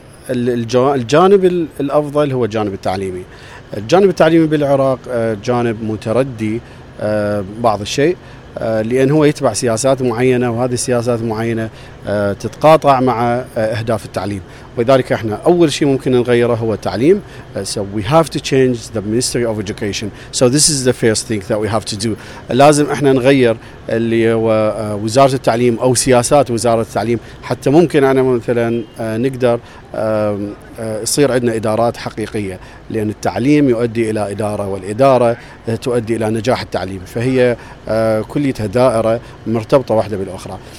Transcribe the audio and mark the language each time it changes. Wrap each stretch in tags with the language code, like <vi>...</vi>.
<ar>الجانب الأفضل هو الجانب التعليمي. الجانب التعليمي بالعراق جانب متردي بعض الشيء, لأن هو يتبع سياسات معينة وهذه السياسات المعينة تتقاطع مع أهداف التعليم, ولذلك احنا أول شيء ممكن نغيره هو التعليم.</ar> <en>So we have to change the Ministry of Education. So this is the first thing that we have to do.</en> <ar>لازم احنا نغير اللي هو وزارة التعليم أو سياسات وزارة التعليم حتى ممكن أنا مثلا نقدر يصير عندنا إدارات حقيقية, لأن التعليم يؤدي إلى إدارة والإدارة تؤدي إلى نجاح التعليم, فهي كليتها دائرة مرتبطة واحدة بالأخرى.</ar>